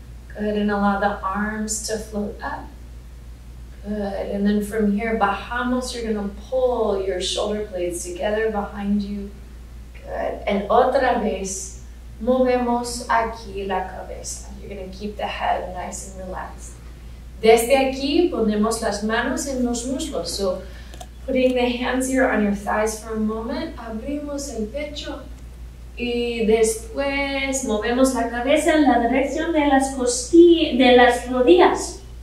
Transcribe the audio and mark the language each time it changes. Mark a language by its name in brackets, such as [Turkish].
[English] Good, and allow the arms to float up. Good, and then from here, [Spanish] bajamos, [English] you're gonna pull your shoulder blades together behind you. Good, and [Spanish] otra vez, Movemos aquí la cabeza. [English] You're going to keep the head nice and relaxed. [Spanish] Desde aquí ponemos las manos en los muslos. [English] So, putting the hands here on your thighs for a moment. [Spanish] Abrimos el pecho. Y después movemos la cabeza en la dirección de las costillas, de las rodillas.